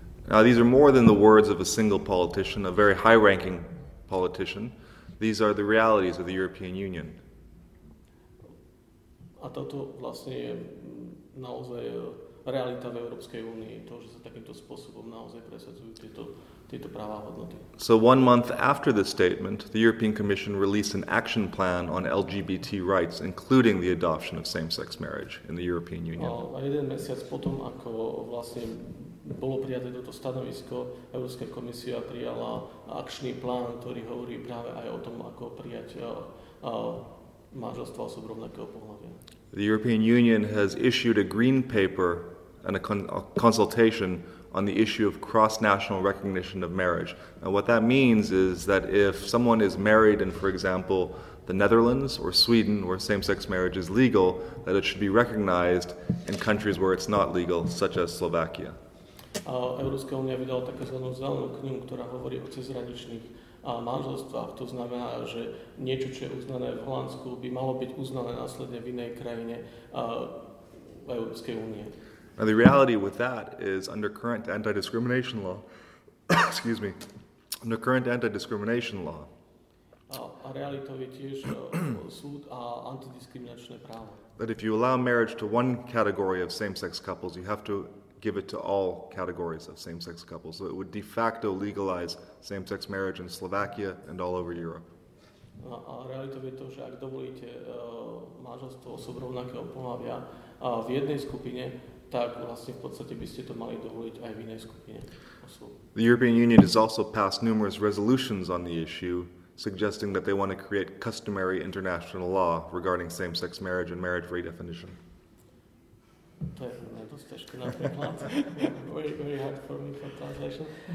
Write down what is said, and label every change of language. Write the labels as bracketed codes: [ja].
[en] Now, these are more than the words of a single politician, a very high-ranking politician. These are the realities of the European Union. [sk] A toto vlastne je naozaj realita v Európskej únii, to, že sa takýmto spôsobom naozaj presadzujú tieto práva a hodnoty. [en] So 1 month after this statement, the European Commission released an action plan on LGBT rights, including the adoption of same-sex marriage in the European Union. [sk] A jeden mesiac potom, ako vlastne bolo prijaté toto stanovisko, Európska komisia prijala akčný plán, ktorý hovorí práve aj o tom, ako prijať manželstvo osôb rovnakého pohlavia. [en] The European Union has issued a green paper and a consultation on the issue of cross-national recognition of marriage. And what that means is that if someone is married in, for example, the Netherlands or Sweden, where same-sex marriage is legal, that it should be recognized in countries where it's not legal, such as Slovakia. [sk] Európska únia vydala takzvanú zelenú knihu, ktorá hovorí o cezhraničných manželstvách. To znamená, že niečo, čo je uznané v Holandsku, by malo byť uznané následne v inej krajine Európskej únie. [en] Now the reality with that is under current anti-discrimination law, excuse me, under current anti-discrimination law, [sk] a realitou je tiež súd a antidiskriminačné právo. [en] That if you allow marriage to one category of same-sex couples, you have to give it to all categories of same-sex couples. So it would de facto legalize same-sex marriage in Slovakia and all over Europe. [sk] A realitou je to, že ak dovolíte manželstvo osob rovnakého pohlavia v jednej skupine, tak vlastne v podstate by ste to mali dovoliť aj v inej skupine osôb. [en] The European Union has also passed numerous resolutions on the issue, suggesting that they want to create customary international law regarding same-sex marriage and marriage redefinition. [sk] To je dosť ťažké na preklad. [en] Very, very hard for me for translation.